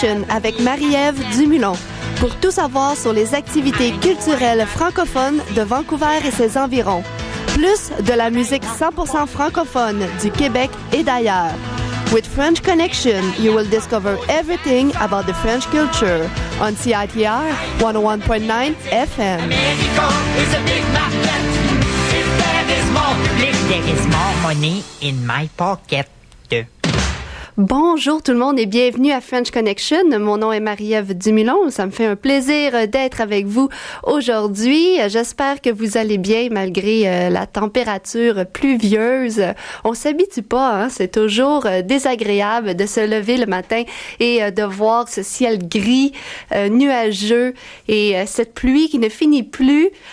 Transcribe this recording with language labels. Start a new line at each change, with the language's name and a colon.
French: Avec Marie-Ève Dumoulin pour tout savoir sur les activités culturelles francophones de Vancouver et ses environs, plus de la musique 100% francophone du Québec et d'ailleurs.
English: With French Connection, you will discover everything about the French culture on CITR 101.9 FM.
French: Bonjour tout le monde et bienvenue à French Connection. Mon nom est Marie-Ève Dumoulin. Ça me fait un plaisir d'être avec vous aujourd'hui. J'espère que vous allez bien malgré la température pluvieuse. On s'habitue pas, hein? C'est toujours désagréable de se lever le matin et de voir ce ciel gris, nuageux et cette pluie qui ne finit plus.